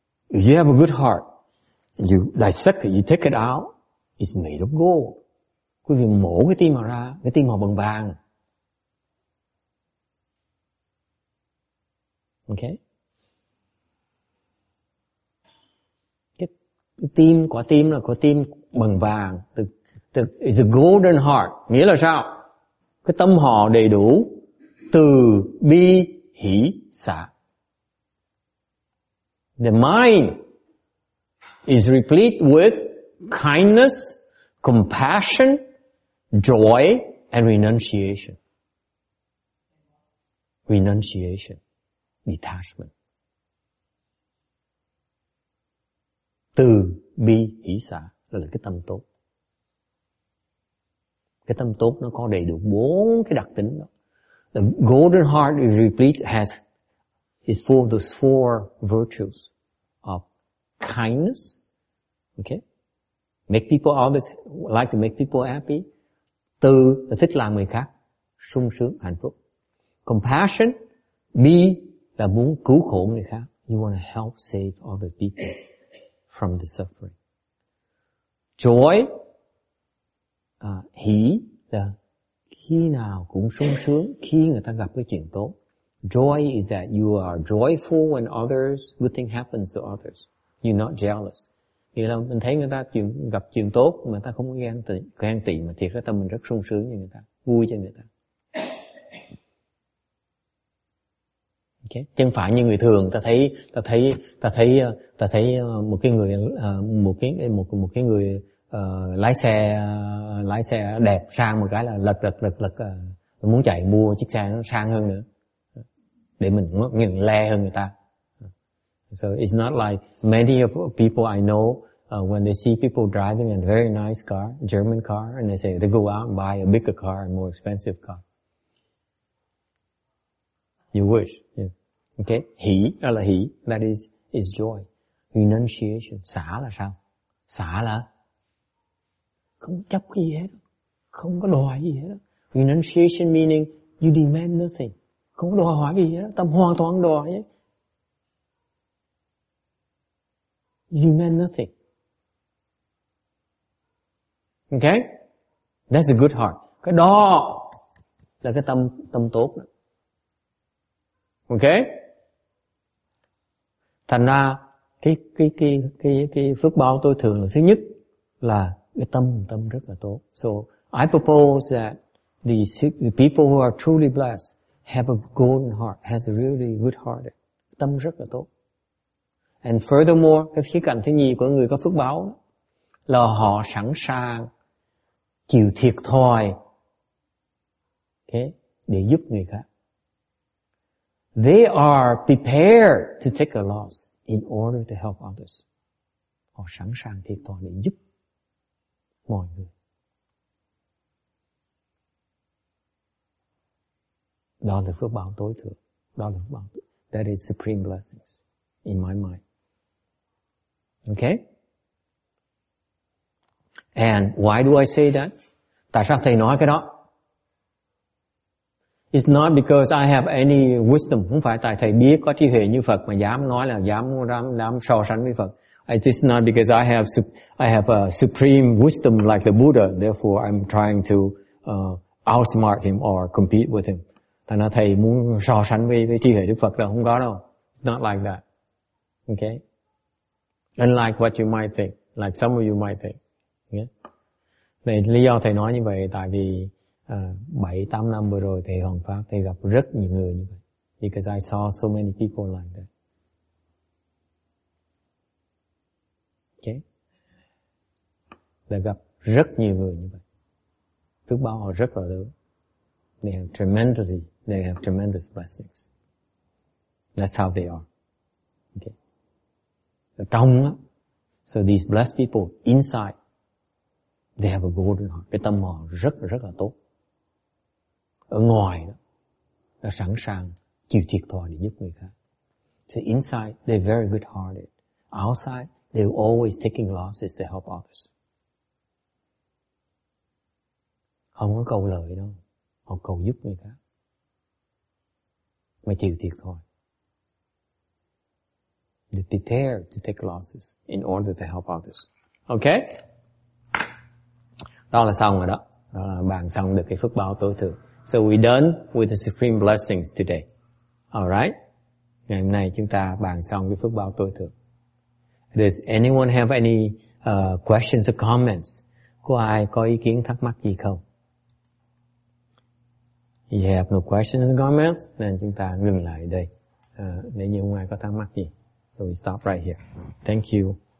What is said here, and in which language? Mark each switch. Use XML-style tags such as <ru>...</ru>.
<en>If you have a good heart, you dissect it, you take it out, it's made of gold.</en> <vi>Quý vị mổ cái tim họ ra, cái tim họ bằng vàng.</vi> <en>Okay.</en> <vi>Cái tim, quả tim là quả tim bằng vàng.</vi> <en>It's a golden heart.</en> <vi>Nghĩa là sao? Cái tâm họ đầy đủ từ bi hỷ xả.</vi> <en>The mind is replete with kindness, compassion, joy, and renunciation. Renunciation, detachment.</en> <vi>Từ bi hỷ xả là cái tâm tốt. Cái tâm tốt nó có đầy đủ bốn cái đặc tính đó.</vi> <en>The golden heart is replete is full of those four virtues of kindness. Okay? Make people others like to make people happy.</en> <vi>Từ là thích làm người khác sung sướng hạnh phúc. Compassion, be là muốn cứu khổ người khác.</vi> <en>You want to help save other people from the suffering.</en> <vi>Joy, hỷ là khi nào cũng sung sướng khi người ta gặp cái chuyện tốt.</vi> <en>Joy is that you are joyful when others good thing happens to others. You're not jealous.</en> <vi>Nghĩa là mình thấy người ta gặp chuyện tốt mà ta không ghen tị, mà thiệt ra tâm mình rất sung sướng cho người ta, vui cho người ta. Okay. Chân phải như người thường, ta thấy một cái người một cái người lái xe đẹp sang một cái là lật muốn chạy mua chiếc xe nó sang hơn nữa để mình nhìn le hơn người ta.</vi> <en>So it's not like many of people I know when they see people driving a very nice car, German car, and they say they go out and buy a bigger car, a more expensive car. You wish, yeah.</en> <vi>Okay, hỷ đó là hỷ,</vi> <en>that is joy.</en> <vi>Renunciation, xả là sao? Xả là không chấp cái gì hết, không có đòi gì hết.</vi> <en>Renunciation meaning you demand nothing,</en> <vi>không có đòi hỏi gì hết, tâm hoàn toàn đòi.</vi> <en>You demand nothing. Okay, that's a good heart.</en> <vi>Cái đó là cái tâm tốt đó. Okay. Thành ra cái phước báo tôi thường là thứ nhất là cái tâm rất là tốt.</vi> <en>So I propose that the people who are truly blessed have a golden heart, has a really good heart,</en> <vi>tâm rất là tốt.</vi> <en>And furthermore,</en> <vi>cái khía cạnh thứ nhì của người có phước báo là họ sẵn sàng chịu thiệt thòi, okay, để giúp người khác.</vi> <en>They are prepared to take a loss in order to help others.</en> <vi>Họ sẵn sàng thiệt thòi để giúp mọi người. Đó là phước báo tối thượng. Đó là phước báo.</vi> <en>That is supreme blessings in my mind. Okay? And why do I say that?</en> <vi>Tại sao thầy nói cái đó?</vi> <en>It's not because I have any wisdom.</en> <vi>Không phải tại thầy biết có trí huệ như Phật mà dám nói là dám so sánh với Phật.</vi> <en>It's not because I have a supreme wisdom like the Buddha. Therefore, I'm trying to outsmart him or compete with him.</en> <vi>Tại nó thầy muốn so sánh với trí huệ Đức Phật là không có đâu.</vi> <en>It's not like that. Okay? Unlike what you might think, like some of you might think. Okay? Yeah.</en> <vi>Lý do thầy nói như vậy tại vì 7-8 năm vừa rồi thầy Hoàng Pháp thầy gặp rất nhiều người như vậy.</vi> <en>Because I saw so many people like that. Okay?</en> <vi>Đã gặp rất nhiều người như vậy. Phước báo họ rất là lớn.</vi> <en>They have tremendous blessings. That's how they are. Okay?</en> <vi>Ở trong á,</vi> <en>so these blessed people inside, they have a golden heart.</en> <vi>Cái tâm họ rất rất là tốt. Ở ngoài đó, đã sẵn sàng chịu thiệt thòi để giúp người khác.</vi> <en>So inside, they're very good hearted. Outside, they're always taking losses to help others.</en> <vi>Không có cầu lợi đâu. Họ cầu giúp người khác. mà chịu thiệt thôi.</vi> <en>They prepare to take losses in order to help others.</en> <vi>Okay? Đó là xong rồi đó. Đó là bàn xong được cái phước báo tối thượng.</vi> <en>So we done with the supreme blessings today. Alright?</en> <vi>Ngày hôm nay chúng ta bàn xong cái phước báo tối thượng.</vi> <en>Does anyone have any questions or comments?</en> <vi>Có ai có ý kiến thắc mắc gì không?</vi> <en>You have no questions or comments?</en> <vi>Nên chúng ta ngừng lại đây. Nếu như không ai có thắc mắc gì.</vi> <en>So we stop right here. Thank you.</en>